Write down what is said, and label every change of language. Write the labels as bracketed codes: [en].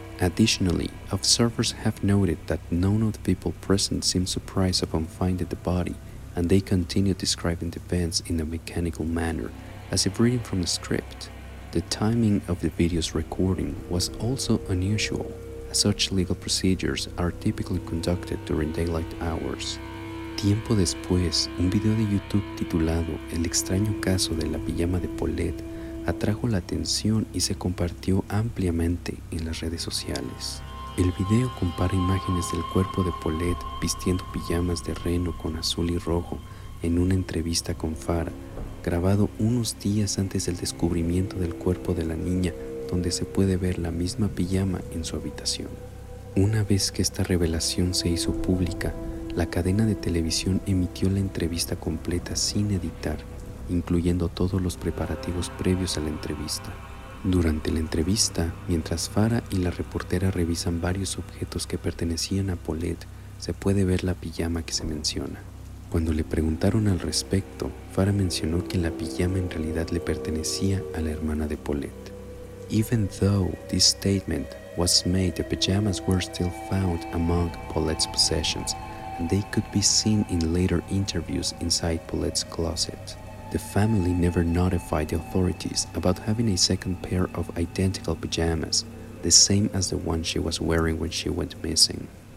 [en] Additionally, observers have noted that none of the people present seemed surprised upon finding the body, and they continued describing the events in a mechanical manner, as if reading from a script. The timing of the video's recording was also unusual, as such legal procedures are typically conducted during daylight hours. [es] Tiempo después, un video de YouTube titulado El extraño caso de la pijama de Paulette atrajo la atención y se compartió ampliamente en las redes sociales. El video compara imágenes del cuerpo de Paulette vistiendo pijamas de reno con azul y rojo en una entrevista con Farah, grabado unos días antes del descubrimiento del cuerpo de la niña, donde se puede ver la misma pijama en su habitación. Una vez que esta revelación se hizo pública, la cadena de televisión emitió la entrevista completa sin editar, incluyendo todos los preparativos previos a la entrevista. Durante la entrevista, mientras Farah y la reportera revisan varios objetos que pertenecían a Paulette, se puede ver la pijama que se menciona. Cuando le preguntaron al respecto, Farah mencionó que la pijama en realidad le pertenecía a la hermana de Paulette. [en] Even though this statement was made, the pajamas were still found among Paulette's possessions, and they could be seen in later interviews inside Paulette's closet. The family never notified the authorities about having a second pair of identical pajamas, the same as the one she was wearing when she went missing.